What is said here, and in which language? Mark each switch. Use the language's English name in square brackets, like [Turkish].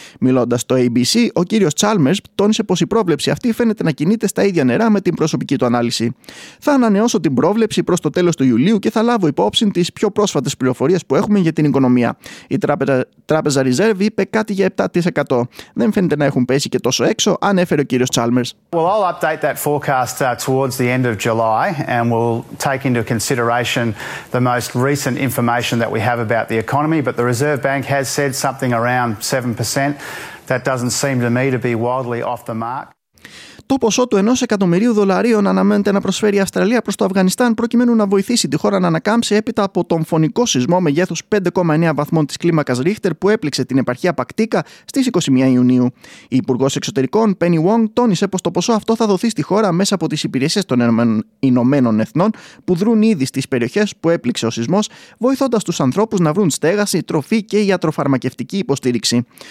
[Greek] Μιλώντας στο ABC, ο κύριος Τσάλμερς τόνισε πως η πρόβλεψη αυτή φαίνεται να κινείται στα ίδια νερά με την προσωπική του ανάλυση. Θα ανανεώσω την πρόβλεψη προς το τέλος του Ιουλίου και θα λάβω υπόψη τις πιο πρόσφατες πληροφορίες που έχουμε για την οικονομία. Η Τράπεζα Ριζέρβ πιστεύει, είπε κάτι για 7%. Δεν φαίνεται να έχουν πέσει και τόσο έξω, ανέφερε ο κύριος Chalmers. [English] Well, I'll update that forecast towards the end of July and we'll take into consideration the most recent information that we have about the economy, but the Reserve Bank has said something around 7%. That doesn't seem to me to be wildly off the mark. [Greek] Το ποσό του ενός εκατομμυρίου δολαρίων αναμένεται να προσφέρει η Αυστραλία προς το Αφγανιστάν προκειμένου να βοηθήσει τη χώρα να ανακάμψει έπειτα από τον φωνικό σεισμό μεγέθους 5,9 βαθμών της κλίμακας Ρίχτερ που έπληξε την επαρχία Πακτίκα στις 21 Ιουνίου. Η Υπουργός Εξωτερικών, Πένι Ουόνγκ, τόνισε πως το ποσό αυτό θα δοθεί στη χώρα μέσα από τις υπηρεσίες των Ηνωμένων Εθνών που δρούν ήδη στις περιοχές που έπληξε ο σεισμός, βοηθώντας τους ανθρώπους να βρουν στέγαση, τροφή και ιατροφαρμακευτική υποστήριξη.